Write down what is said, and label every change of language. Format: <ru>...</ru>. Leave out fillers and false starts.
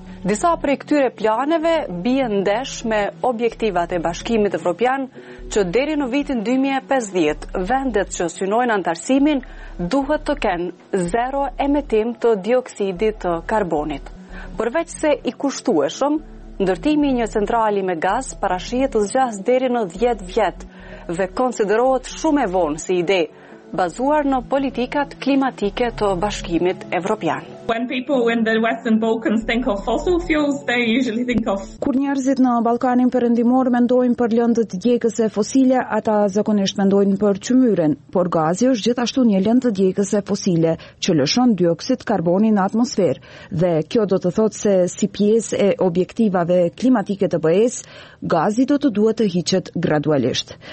<sq>Disa prej këtyre planeve bien ndesh me objektivat e Bashkimit Evropian që deri në vitin 2050 vendet që synojnë antarësimin duhet të kenë zero emetim të dioksidit të karbonit. Përveç se i kushtueshëm, ndërtimi i një centrali me gaz parashihet të zgjasë deri në 10 vjet dhe konsiderohet shumë e vonë si ide, bazuar në politikat klimatike të Bashkimit Evropian.</sq> <en>When people in the Western Balkans think of fossil fuels, they usually think of.</en> <sq>Kur njerëzit në Ballkanin Perëndimor mendojnë për lëndë të djegëse fosile, ata zakonisht mendojnë për qymyren, por gazi është gjithashtu një lëndë të djegëse fosile që lëshon dioksid karboni në atmosferë. Dhe kjo do të thotë se si pjesë e objektivave klimatike të BE-s, gazi do të duhet të hiqet gradualisht.</sq>